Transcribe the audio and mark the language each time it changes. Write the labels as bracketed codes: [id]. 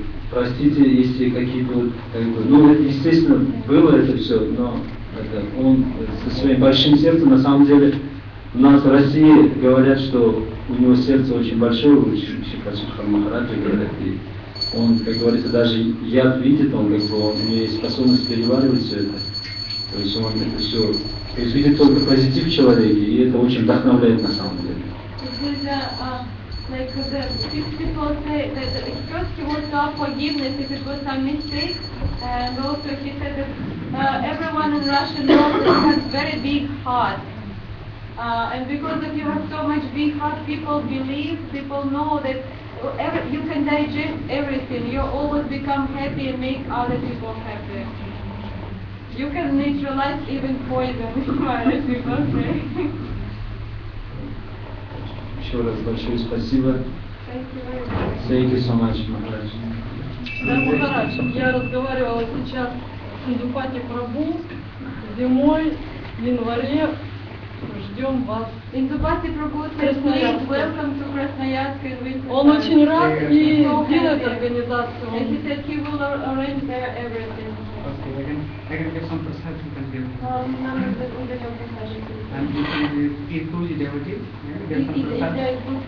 [ru] Простите, если какие-то, естественно, было это все, но это, он со своим большим сердцем, на самом деле, у нас в России говорят, что у него сердце очень большое, очень Шихасудхар Махараджа говорят, и он, как говорится, даже яд видит, он как бы, он, у него есть способность переваривать все это, то есть он это все, то есть видит только позитив в человеке, и это очень вдохновляет на самом деле. [en] Like the people say that first he wants our forgiveness if it was some mistake, and also he said that everyone in Russia knows he has very big heart, and because of you have so much big heart, people believe, people know that you can digest everything. You always become happy and make other people happy. You can neutralize even poison, as people say. [ru] Еще раз большое спасибо. [en] Thank you so much, Махарадж. [ru] Да, Махарадж, я разговаривала сейчас с Индупати Прабу. Зимой, в январе, ждем вас. [en] Индупати Прабу, welcome to Krasnoyarsk. [ru] Он очень рад и делает организацию. [en] And he said he will arrange there everything. Okay, I can get some prasad you can give. And you can eat two devotees, yeah, get some prasad,